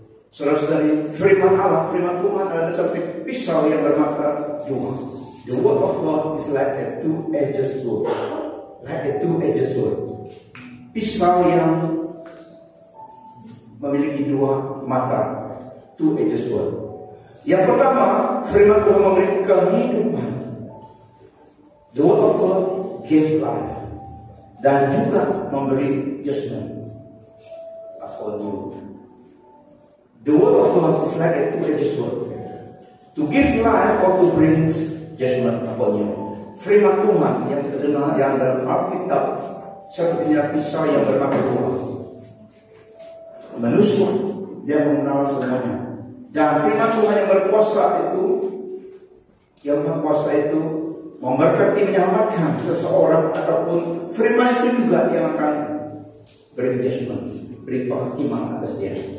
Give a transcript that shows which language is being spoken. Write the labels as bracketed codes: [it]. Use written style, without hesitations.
[id] Saudara-saudari, firman Allah, firman Tuhan adalah seperti pisau yang bermata dua. [en] The word of God is like a two-edged sword. Like a two-edged sword. [id] Pisau yang memiliki dua mata. [en] Two-edged sword. [id] Yang pertama, firman Tuhan memberi kehidupan. [en] The word of God gave life. [id] Dan juga memberi [en] judgment. Upon you. The word of God is like a two-edged sword. To give life or to bring judgment upon you. [id] Firman Tuhan yang kita dengar yang dalam Alkitab sepertinya pisau yang bermata dua. Menusuk, dia mengenal semuanya. Dan firman Tuhan yang berkuasa itu, yang berkuasa itu memberkati, menyelamatkan seseorang ataupun firman itu juga yang akan beri judgment, beri penghakiman atas dia.